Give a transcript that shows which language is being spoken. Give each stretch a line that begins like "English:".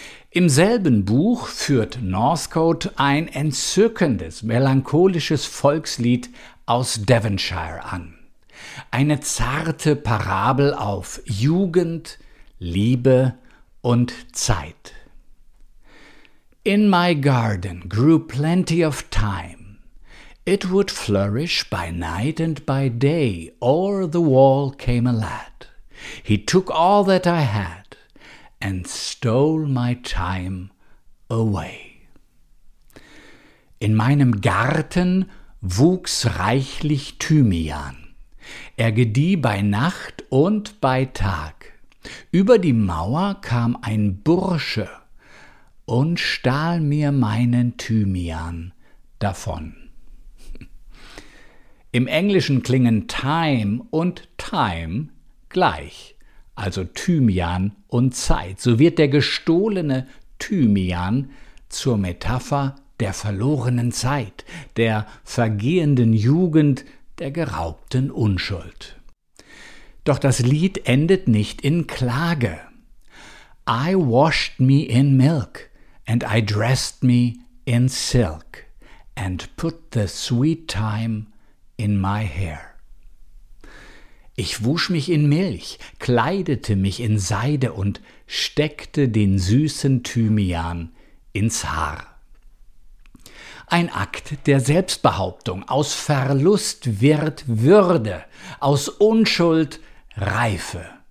German: Im selben Buch führt Northcote ein entzückendes, melancholisches Volkslied aus Devonshire an. Eine zarte Parabel auf Jugend, Liebe und Zeit.
English: In my garden grew plenty of time. It would flourish by night and by day. O'er the wall came a lad. He took all that I had and stole my time away.
German: In meinem Garten wuchs reichlich Thymian. Er gedieh bei Nacht und bei Tag. Über die Mauer kam ein Bursche und stahl mir meinen Thymian davon. Im Englischen klingen time und time gleich, also Thymian und Zeit. So wird der gestohlene Thymian zur Metapher der verlorenen Zeit, der vergehenden Jugend, der geraubten Unschuld. Doch das Lied endet nicht in Klage.
English: I washed me in milk, and I dressed me in silk, and put the sweet time in my hair.
German: Ich wusch mich in Milch, kleidete mich in Seide und steckte den süßen Thymian ins Haar. Ein Akt der Selbstbehauptung, aus Verlust wird Würde, aus Unschuld Reife.